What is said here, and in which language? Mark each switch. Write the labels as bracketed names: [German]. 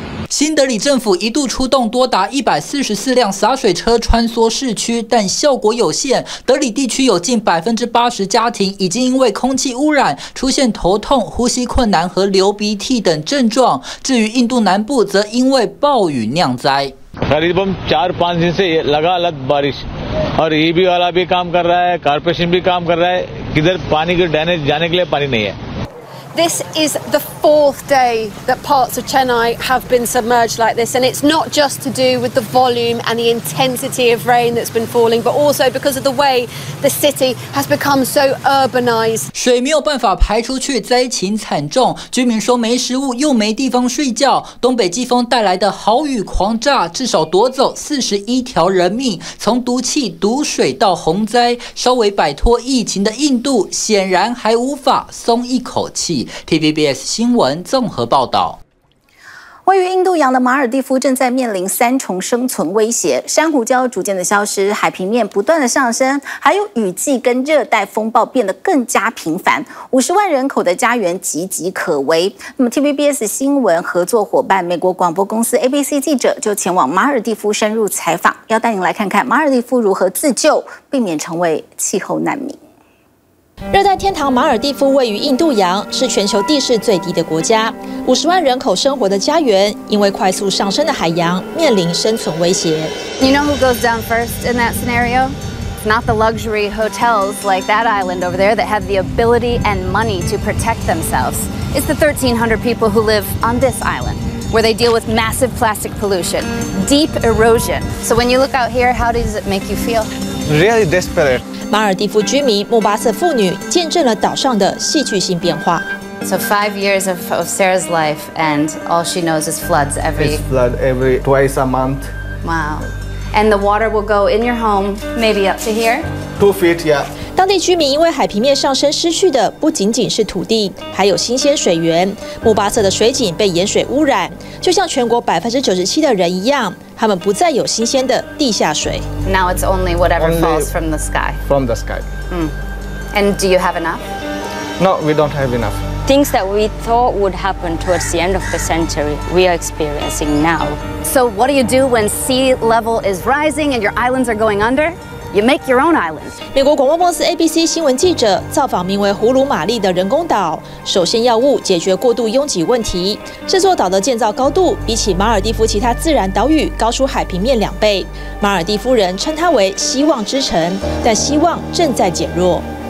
[Chinese] 新德里政府一度出动多达144辆洒水车穿梭市区，但效果有限。德里地区有近80%家庭已经因为空气污染出现头痛、呼吸困难和流鼻涕等症状。至于印度南部，则因为暴雨酿灾。 [Hindi] करीबन 4-5 दिन से लगातार बारिश और ईबी वाला भी काम कर रहा है, कॉर्पोरेशन भी काम कर रहा है, किधर पानी के डैमेज जाने के लिए पानी नहीं है। [English] This is the fourth day that parts of Chennai have been submerged like this, and it's not just to do with the volume and the intensity of rain that's been falling, but also because of the way the city has become so urbanized. [Chinese] 水没有办法排出去，灾情惨重。居民说没食物，又没地方睡觉。东北季风带来的豪雨狂炸，至少夺走41条人命。从毒气、毒水到洪灾，稍微摆脱疫情的印度，显然还无法松一口气。 TVBS 新闻综合报道。位于印度洋的马尔蒂夫正在面临三重生存威胁，珊瑚礁逐渐的消失，海平面不断的上升，还有雨季跟热带风暴变得更加频繁，50万人口的家园岌岌可危。那么 TVBS 新闻合作伙伴美国广播公司 ABC 记者就前往马尔蒂夫深入采访，要带您来看看马尔蒂夫如何自救，避免成为气候难民。热带天堂马尔蒂夫位于印度洋，是全球地势最低的国家，50万人口生活的家园因为快速上升的海洋面临生存威胁。 [English] You know who goes down first in that scenario? Not the luxury hotels like that island over there that have the ability and money to protect themselves. It's the 1300 people who live on this island where they deal with massive plastic pollution, deep erosion. So when you look out here, how does it make you feel? Really desperate. [Chinese] 马尔蒂夫居民穆巴瑟妇女见证了岛上的戏剧性变化。 [English] So 5 years of Sarah's life, and all she knows is floods every. It's flood every twice a month. Wow, and the water will go in your home, maybe up to here. 2 feet, yeah. [Chinese] 当地居民因为海平面上升失去的不仅仅是土地，还有新鲜水源。穆巴瑟的水井被盐水污染，就像全国97%的人一样。他们不再有新鲜的地下水。 [English] Now it's only whatever falls from the sky. From the sky. And do you have enough? No, we don't have enough. Things that we thought would happen towards the end of the century, we are experiencing now. So what do you do when sea level is rising and your islands are going under? You make your own island. [Chinese] 美国广播公司 ABC 新闻记者造访名为胡鲁玛丽的人工岛，首先要务解决过度拥挤问题。这座岛的建造高度比起马尔蒂夫其他自然岛屿高出海平面2倍。马尔蒂夫人称它为希望之城，但希望正在减弱。